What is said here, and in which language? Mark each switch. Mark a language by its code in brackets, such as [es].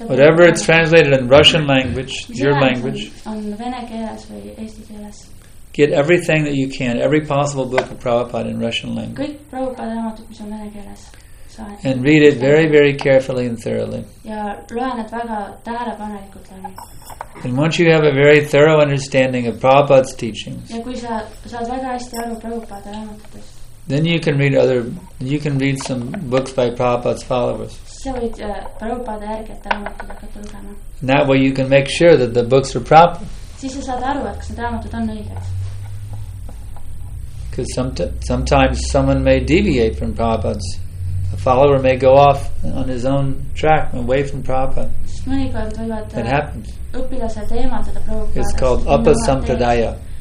[en] Whatever it's translated in Russian language, your language. [et] On vene keeles või eesti keeles. [en] Get everything that you can, every possible book of Prabhupada in Russian language. [et] Kõik Prabhupada raamatud, mis on vene keeles. [en] And read it very, very carefully and thoroughly. [et] Ja loen et väga tähelepanelikult läbi. [en] And once you have a very thorough understanding of Prabhupada's teachings. [et] Ja kui saad väga hästi aru Prabhupada raamatutest. [en] Then you can read some books by Prabhupada's followers. [et] Sa võid Prabhupada järgijate raamatuid hakata lugema. [en] And that way you can make sure that the books are proper. [et] Siis sa saad aru, et kas need raamatud on õiged. [en] Because sometimes someone may deviate from Prabhupada's. A follower may go off on his own track away from Prabhupada. That happens. It's called upasampradaya.